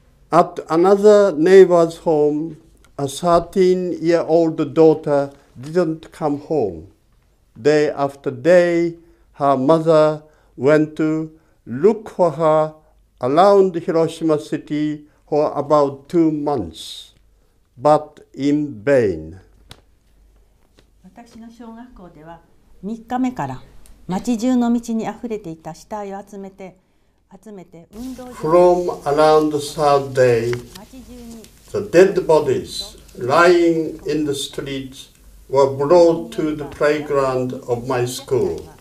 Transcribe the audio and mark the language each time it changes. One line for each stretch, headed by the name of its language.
English: At another neighbor's home, a 13-year-old daughter didn't come home. Day after day, her mother went to look for her around Hiroshima City for about 2 months, but in vain.
Japanese: 私の小学校では3日目から町中の道にあふれていた死体を集めて運動場。
English: From around the third day, the dead bodies lying in the streets were brought to the playground of my school.